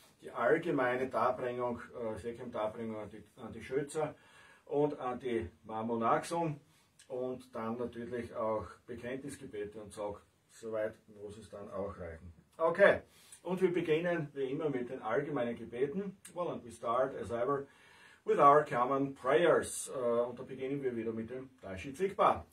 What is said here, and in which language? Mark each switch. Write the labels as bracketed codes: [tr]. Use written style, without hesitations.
[de] Die allgemeine Darbringung, Sekem-Darbringung an die Schützer und an die Mamunaxum und dann natürlich auch Bekenntnisgebete und Zog. Soweit muss es dann auch reichen. Okay, und wir beginnen wie immer mit den allgemeinen Gebeten. [en] Well, and we start as ever with our common prayers. [de] Und da beginnen wir wieder mit dem Tashi Tsigpa.